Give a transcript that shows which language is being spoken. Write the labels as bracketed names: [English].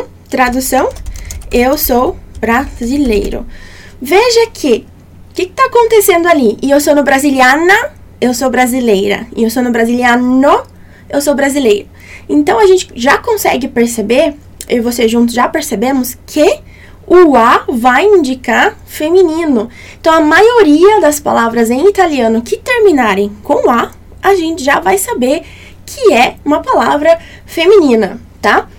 [Portuguese] Tradução, eu sou brasileiro. Veja aqui, o que está acontecendo ali? [Italian] Io sono brasiliana, [Portuguese] eu sou brasileira. [Italian] Io sono brasiliano, [Portuguese] eu sou brasileiro. Então, a gente já consegue perceber, eu e você juntos já percebemos, que o A vai indicar feminino. Então, a maioria das palavras em italiano que terminarem com A, a gente já vai saber que é uma palavra feminina, tá?